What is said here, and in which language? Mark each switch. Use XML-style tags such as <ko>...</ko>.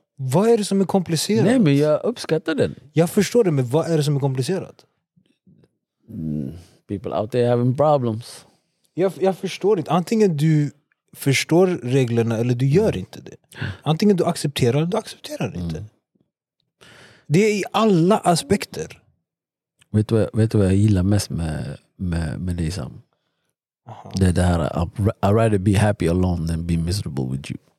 <sv>Vad är det som är komplicerat? Nej, men jag uppskattar den. Jag förstår det, men vad är det som är komplicerat?</sv> <en>People out there having problems.</en> <sv>Jag förstår inte. Antingen du förstår reglerna eller du gör inte det. Antingen du accepterar eller du accepterar inte. Det är i alla aspekter. Vet du vad jag gillar mest med dig, Sam? Det är det här,</sv> <en>I'd rather be happy alone than be miserable with you.</en>